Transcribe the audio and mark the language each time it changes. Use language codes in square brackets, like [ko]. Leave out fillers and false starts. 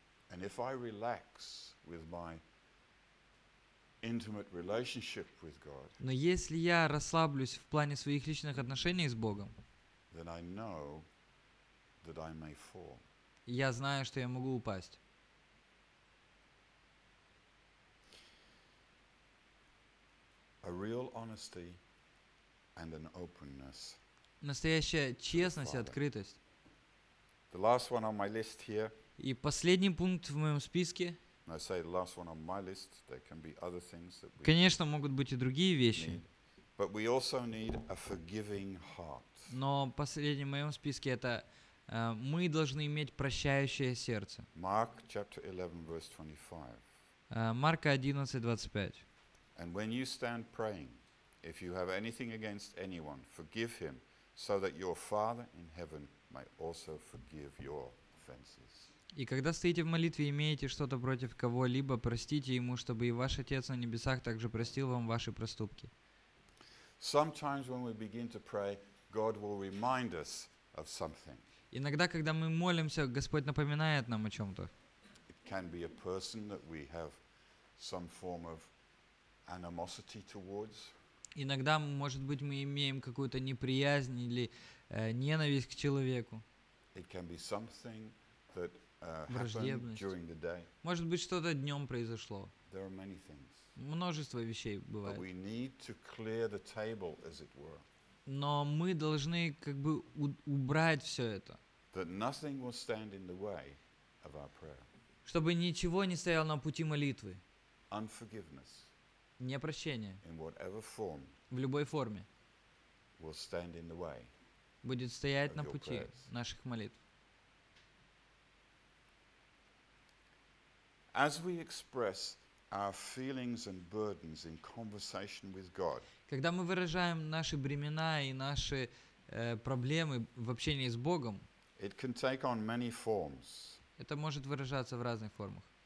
[en] And if I relax with my intimate relationship with God, [ru] но если я расслаблюсь в плане своих личных отношений с Богом, [en] then I know that I may fall. [ru] Я знаю, что я могу упасть. [en] A real honesty and an openness. [ru] Настоящая честность и открытость. [en] The last one on my list here. [ru] И последний пункт в моем списке. [en] And I say the last one on my list. There can be other things that we. [ru] Конечно, могут быть и другие вещи. [en] Need. But we also need a forgiving heart. [ru] Но последний в моем списке это мы должны иметь прощающее сердце. [en] Mark chapter 11 verse 25. [ru] Марка 11:25. [en] And when you stand praying, if you have anything against anyone, forgive him, so that your Father in heaven may also forgive your offenses. [ru] И когда стоите в молитве и имеете что-то против кого-либо, простите ему, чтобы и ваш Отец на небесах также простил вам ваши проступки. [en] Sometimes when we begin to pray, God will remind us of something. [ru] Иногда, когда мы молимся, Господь напоминает нам о чем-то. [en] It can be a person that we have some form of animosity towards. [ru] Иногда, может быть, мы имеем какую-то неприязнь или ненависть к человеку. [en] It can be something that happened during the day. [ru] Может быть, что-то днем произошло. [en] There are many things. [ru] Множество вещей бывает. [en] But we need to clear the table, as it were. [ru] Но мы должны как бы убрать все это. [en] That nothing will stand in the way of our prayer. [ru] Чтобы ничего не стояло на пути молитвы. [en] Unforgiveness. [ru] Непрощение [en] in whatever form [ru] в любой форме [en] will stand in the way [ru] будет стоять [en] of [ru] на пути наших молитв. [en] As we express our feelings and burdens in conversation with God, [ru] когда мы выражаем наши бремена и наши проблемы в общении с Богом, [en] it can take on many forms. [ru] Это может выражаться в разных формах.